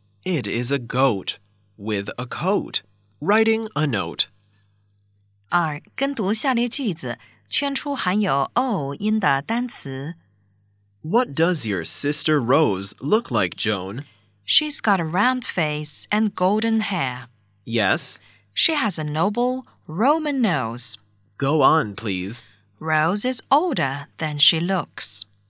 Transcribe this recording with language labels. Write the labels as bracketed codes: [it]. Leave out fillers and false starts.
[en] It is a goat with a coat writing a note. [zh] 二、跟读下列句子，圈出含有 O 音的单词。 [en] What does your sister Rose look like, Joan? She's got a round face and golden hair. Yes. She has a noble Roman nose. Go on, please. Rose is older than she looks.